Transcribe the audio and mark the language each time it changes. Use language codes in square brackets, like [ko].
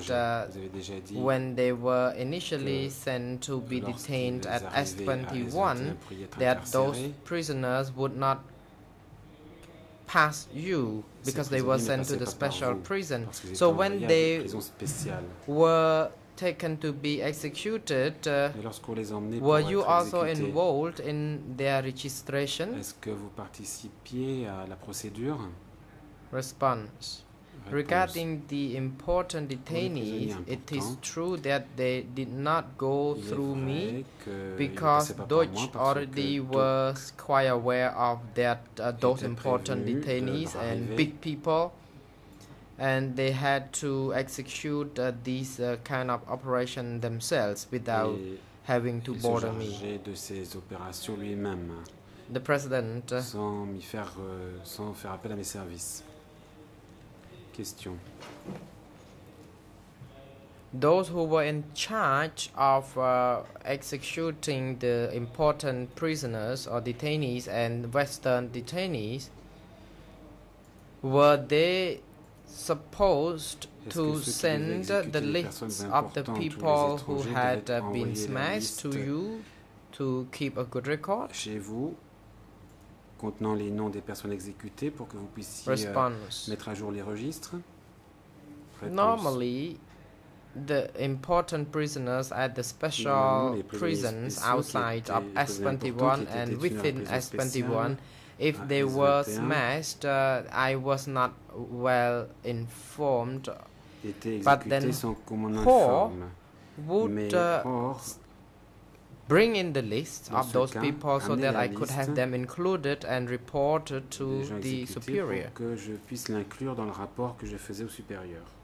[en] that when they were initially sent to be detained at S21, that those prisoners would not pass you because they were sent to the special prison. So when they were taken to be executed, were you also involved in their registration? [fr] Est-ce que vous participiez à la procédure? [en] Response. Regarding the important detainees, it is true that they did not go through me because Deutsch already was quite aware of that those important detainees and big people, and they had to execute these kind of operation themselves without having to bother me. [fr] De ces opérations lui-même, [en] the president. [fr] Sans faire appel à mes services. Question. [en] Those who were in charge of executing the important prisoners or detainees and Western detainees, were they supposed to send the lists of the people who had been smashed to you to keep a good record? [fr] Chez vous. Contenant les noms des personnes exécutées pour que vous puissiez mettre à jour les registres. Réponse. [en] Normally, the important prisoners at the special prisons outside of S21 and within S21, if they were smashed, I was not well informed. But then, Paul would bring in the list of those people so that I could have them included and reported to the superior. [fr] Pour que je puisse l'inclure dans le rapport que je faisais au supérieur.